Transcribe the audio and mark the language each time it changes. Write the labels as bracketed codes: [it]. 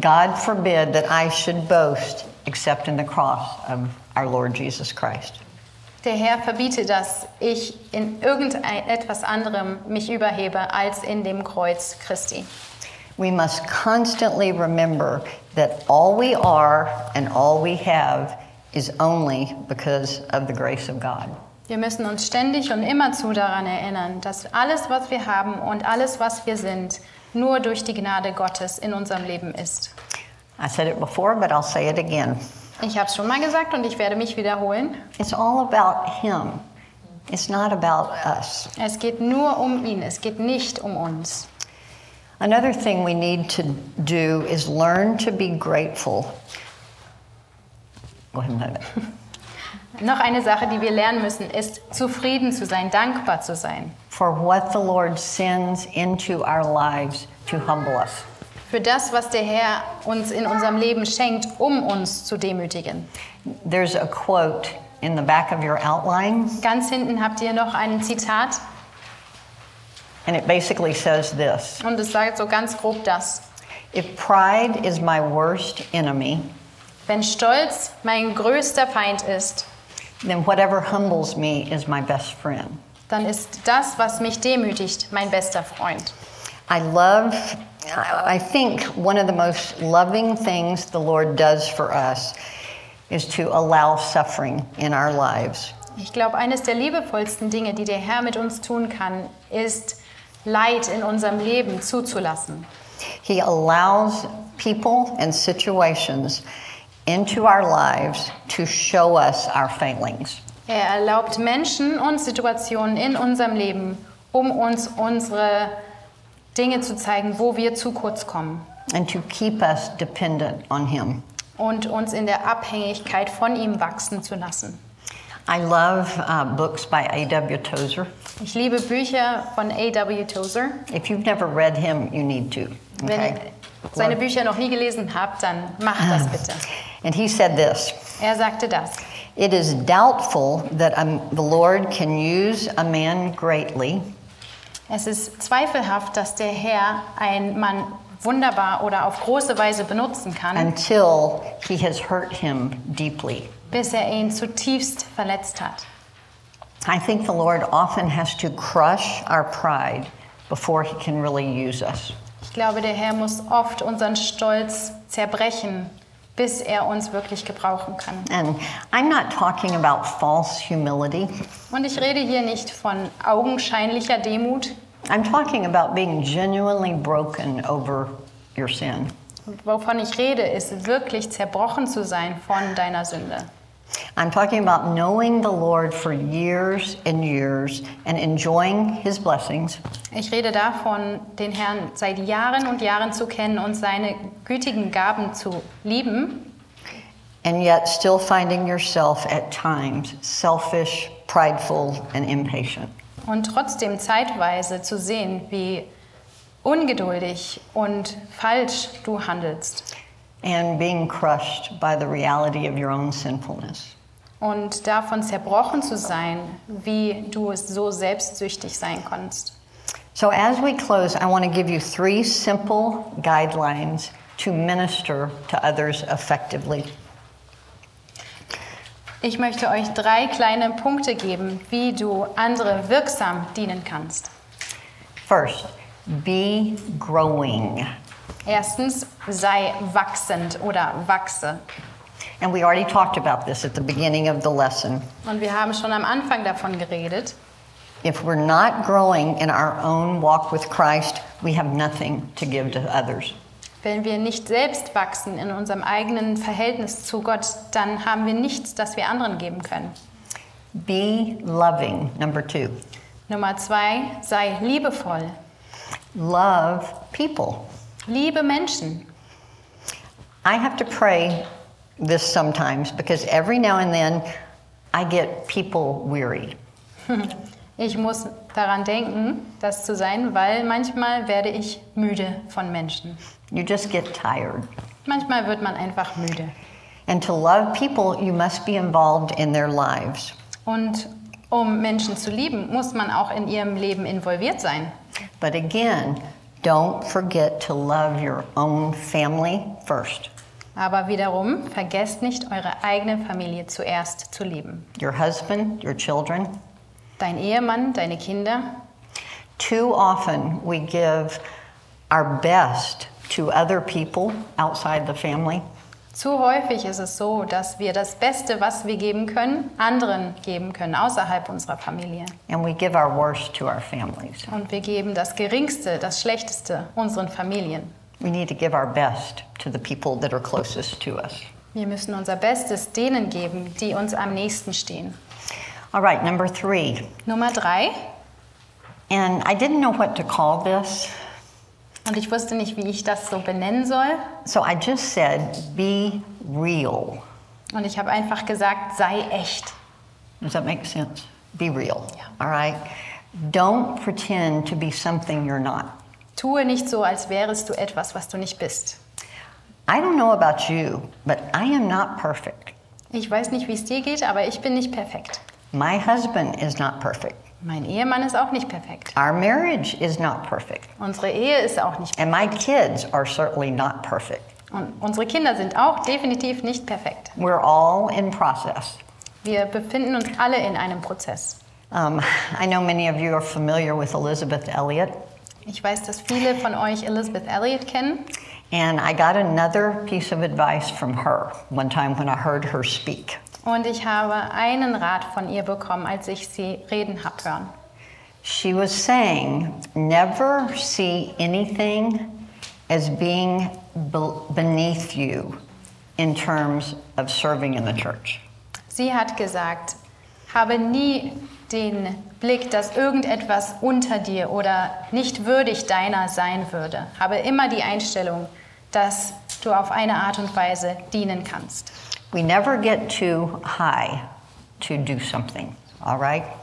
[en] God forbid that I should boast except in the cross of our Lord Jesus Christ. [de] Der Herr verbiete, dass ich in irgendetwas anderem mich überhebe als in dem Kreuz Christi. [en] We must constantly remember that all we are and all we have is only because of the grace of God. [de] Wir müssen uns ständig und immerzu daran erinnern, dass alles, was wir haben und alles, was wir sind, nur durch die Gnade Gottes in unserem Leben ist. [en] I said it before, but I'll say it again. [de] Ich habe es schon mal gesagt und ich werde mich wiederholen. [en] It's all about him. It's not about us. [de] Es geht nur um ihn. Es geht nicht um uns. [en] Another thing we need to do is learn to be grateful. Go ahead, Mother. [de] Noch eine Sache, die wir lernen müssen, ist zufrieden zu sein, dankbar zu sein. [en] For what the Lord sends into our lives to humble us. [de] Für das, was der Herr uns in unserem Leben schenkt, um uns zu demütigen. [en] There's a quote in the back of your outline. [de] Ganz hinten habt ihr noch ein Zitat. [en] And it basically says this. [de] Und es sagt so ganz grob das. [en] If pride is my worst enemy, [de] wenn Stolz mein größter Feind ist, [en] then whatever humbles me is my best friend. [de] Dann ist das, was mich demütigt, mein bester Freund. [en] I think one of the most loving things the Lord does for us is to allow suffering in our lives. [de] Ich glaube, eines der liebevollsten Dinge, die der Herr mit uns tun kann, ist Leid in unserem Leben zuzulassen. [en] He allows people and situations into our lives to show us our failings. [de] Er erlaubt Menschen und Situationen in unserem Leben, um uns unsere Dinge zu zeigen, wo wir zu kurz kommen. [en] And to keep us dependent on him. [de] Und uns in der Abhängigkeit von ihm wachsen zu lassen. [en] I love books by A.W. Tozer. [de] Ich liebe Bücher von A.W. Tozer. [en] If you've never read him, you need to. Okay? [de] Wenn ihr seine Bücher noch nie gelesen habt, dann macht das bitte. [en] And he said this. [de] Er sagte das. [en] It is doubtful that the Lord can use a man greatly. [de] Es ist zweifelhaft, dass der Herr einen Mann wunderbar oder auf große Weise benutzen kann. [en] Until he has hurt him deeply. [de] Bis er ihn zutiefst verletzt hat. [en] I think the Lord often has to crush our pride before he can really use us. [de] Ich glaube, der Herr muss oft unseren Stolz zerbrechen, bis er uns wirklich gebrauchen kann. [en] And I'm not talking about false humility. [de] Und ich rede hier nicht von augenscheinlicher Demut. [en] I'm talking about being genuinely broken over your sin. [de] Wovon ich rede, ist wirklich zerbrochen zu sein von deiner Sünde. [en] I'm talking about knowing the Lord for years and years and enjoying his blessings. [de] Ich rede davon, den Herrn seit Jahren und Jahren zu kennen und seine gütigen Gaben zu lieben. [en] And yet still finding yourself at times selfish, prideful and impatient. [de] Und trotzdem zeitweise zu sehen, wie ungeduldig und falsch du handelst. [en] And being crushed by the reality of your own sinfulness. [de] Und davon zerbrochen zu sein, wie du es so selbstsüchtig sein kannst. [en] So as we close, I want to give you three simple guidelines to minister to others effectively. [de] Ich möchte euch drei kleine Punkte geben, wie du andere wirksam dienen kannst. [en] First, be growing. [de] Erstens, sei wachsend oder wachse. [en] And we already talked about this at the beginning of the lesson. [de] Und wir haben schon am Anfang davon geredet. [en] If we're not growing in our own walk with Christ, we have nothing to give to others. [de] Wenn wir nicht selbst wachsen in unserem eigenen Verhältnis zu Gott, dann haben wir nichts, das wir anderen geben können. [en] Be loving, number two. [de] Nummer zwei, sei liebevoll. [en] Love people. [de] Liebe Menschen. [en] I have to pray this sometimes because every now and then I get people weary. [de] Ich muss daran denken, das zu sein, weil manchmal werde ich müde von Menschen. [en] You just get tired. [de] Manchmal wird man einfach müde. [en] And to love people, you must be involved in their lives. [de] Und um Menschen zu lieben, muss man auch in ihrem Leben involviert sein. [en] But again, don't forget to love your own family first. [de] Aber wiederum, vergesst nicht, eure eigene Familie zuerst zu lieben. [en] Your husband, your children. [de] Dein Ehemann, deine Kinder. [en] Too often we give our best to other people outside the family. [de] Zu häufig ist es so, dass wir das Beste, was wir geben können, anderen geben können, außerhalb unserer Familie. [en] And we give our worst to our families. [de] Und wir geben das Geringste, das Schlechteste unseren Familien. [en] We need to give our best to the people that are closest to us. [de] Wir müssen unser Bestes denen geben, die uns am nächsten stehen. [en] All right, number three. [de] Nummer drei. [en] And I didn't know what to call this. [de] Und ich wusste nicht, wie ich das so benennen soll. [en] So I just said, be real. [de] Und ich habe einfach gesagt, sei echt. [en] Does that make sense? Be real. Yeah. All right. Don't pretend to be something you're not. [de] Tue nicht so, als wärest du etwas, was du nicht bist. [en] I don't know about you, but I am not perfect. [de] Ich weiß nicht, wie es dir geht, aber ich bin nicht perfekt. [en] My husband is not perfect. [de] Mein Ehemann ist auch nicht perfekt. [en] Our marriage is not perfect. [de] Unsere Ehe ist auch nicht perfekt. [en] And my kids are certainly not perfect. [de] Und unsere Kinder sind auch definitiv nicht perfekt. [en] We're all in process. [de] Wir befinden uns alle in einem Prozess. [en] I know many of you are familiar with Elizabeth Elliot. [de] Ich weiß, dass viele von euch Elizabeth Elliot kennen. [en] And I got another piece of advice from her one time when I heard her speak. [de] Und ich habe einen Rat von ihr bekommen, als ich sie reden hab hören. [en] She was saying, never see anything as being beneath you in terms of serving in the church. [de] Sie hat gesagt, habe nie den Blick, dass irgendetwas unter dir oder nicht würdig deiner sein würde. Habe immer die Einstellung, dass du auf eine Art und Weise dienen kannst. [en] We never get too high to do something, all right?